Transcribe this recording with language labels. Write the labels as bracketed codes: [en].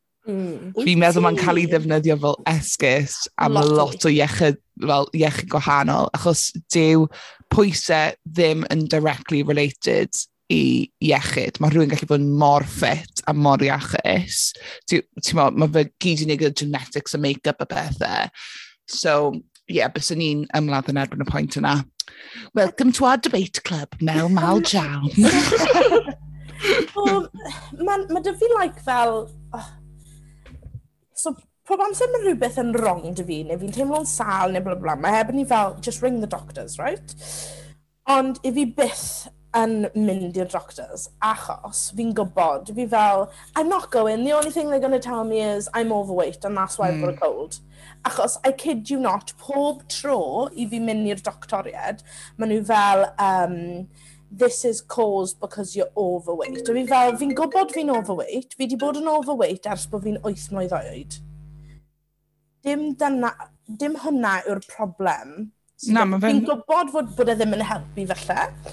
[cy] Fi'n meddwl mae'n cael ei ddefnyddio fel esgus am lot o iechyd, fel iechyd gwahanol, achos dyw pwysau ddim yn directly related i iechyd. Mae rhywun gallu bod yn mor ffit a mor iachus. Mae fe gyd i neud genetics a make-up a bethau. So, yeah, bys ni'n ymladd yn erbyn y pwynt yna. [en] Welcome to our debate club, Mel Mal Jam. [cy] Mae dy fi'n like fel... So, pob amser mae rhywbeth yn wrong dy fi, neu fi'n teimlo'n sal neu bla bla, mae heb ni fel, [en] just ring the doctors, right? [cy] Ond, i fi byth yn mynd i'r doctors, achos fi'n gwybod, fi fel, [en] I'm not going, the only thing they're going to tell me is, I'm overweight, and that's why I've got a cold. [cy] Achos, I kid you not, pob tro i fi mynd i'r doctoriad, mae nhw fel, [en] this is caused because you're overweight. [cy] Fi fel, fi'n gwybod fi'n overweight. Fi di bod yn overweight ers bod fi'n 8 mlynedd oed. Dim hwnna yw'r problem. So, nah, fi'n gwybod bod e ddim yn helpu felly.